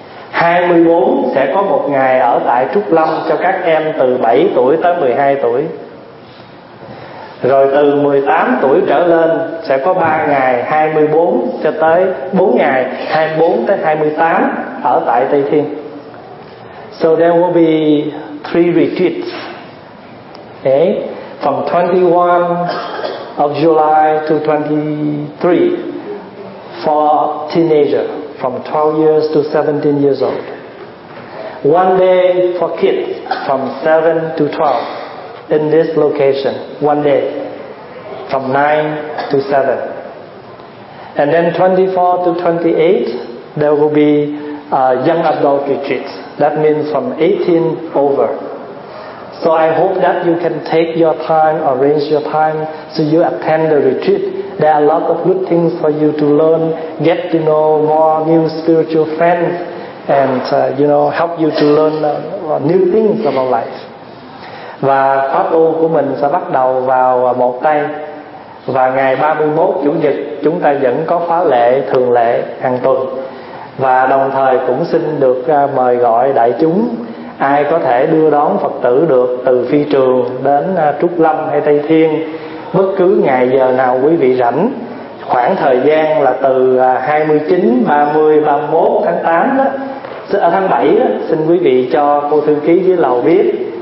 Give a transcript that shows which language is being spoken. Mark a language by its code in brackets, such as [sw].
[vi] 24 sẽ có một ngày ở tại Trúc Lâm cho các em từ 7 tuổi tới 12 tuổi. Rồi từ 18 tuổi trở lên sẽ có 3 ngày, 24 cho tới 4 ngày, 24 tới 28 ở tại Tây Thiên. [en] So there will be 3 retreats. Okay. From 21 of July to 23 for teenagers. From 12 years to 17 years old. One day for kids from 7 to 12 in this location. One day from 9 to 7. And then 24 to 28, there will be a young adult retreat. That means from 18 over. So I hope that you can take your time, arrange your time, so you attend the retreat. There are a lot of good things for you to learn, get to know more new spiritual friends, and help you to learn new things about life. [vi] Và khóa tu của mình sẽ bắt đầu vào một tay. Và ngày 31 chủ nhật chúng ta vẫn có khóa lễ thường lệ hàng tuần. Và đồng thời cũng xin được mời gọi đại chúng, ai có thể đưa đón Phật tử được từ phi trường đến Trúc Lâm hay Tây Thiên, bất cứ ngày giờ nào quý vị rảnh, khoảng thời gian là từ 29, 30, 31 tháng 8 đó, ở tháng 7 đó, xin quý vị cho cô thư ký dưới lầu biết.